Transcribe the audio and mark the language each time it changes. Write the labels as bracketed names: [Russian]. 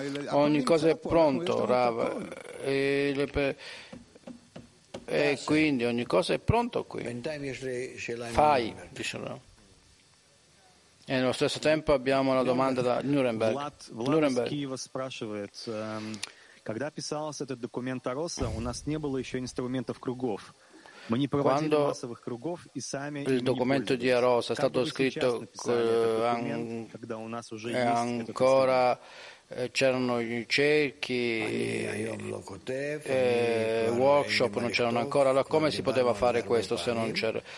[Italian] Ogni cosa è pronto, Rav. E quindi ogni cosa è pronto qui. Fai, dice Rav. E nello stesso tempo abbiamo una domanda da Nuremberg. Nuremberg. [Russian] Когда писался этот документ о Росса, у нас не было еще инструментов кругов. [Italian] Quando il documento di Arosa è stato scritto, ancora c'erano i cerchi, workshop non c'erano ancora, allora come si poteva fare questo se non c'era?